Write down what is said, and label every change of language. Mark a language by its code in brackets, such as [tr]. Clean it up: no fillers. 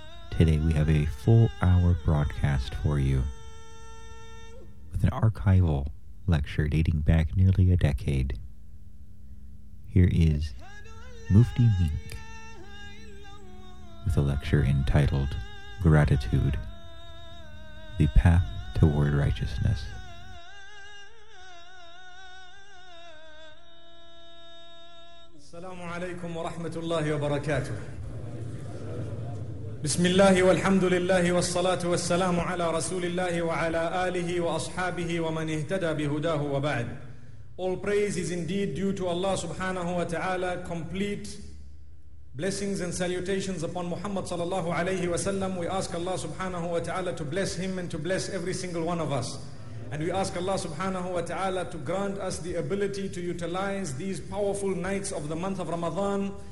[en] Today we have a full hour broadcast for you, with an archival lecture dating back nearly a decade. Here is Mufti Mink with a lecture entitled Gratitude, The Path Toward Righteousness. [ar] السلام عليكم ورحمة الله وبركاته بسم الله والحمد لله والصلاة والسلام على رسول الله وعلى آله وأصحابه ومن اهتدى بهداه وبعد. [en] All praise is indeed due to Allah subhanahu wa ta'ala. Complete blessings and salutations upon Muhammad sallallahu alayhi wa sallam. We ask Allah subhanahu wa ta'ala to bless him and to bless every single one of us. And we ask Allah subhanahu wa ta'ala to grant us the ability to utilize these powerful nights of the month of Ramadan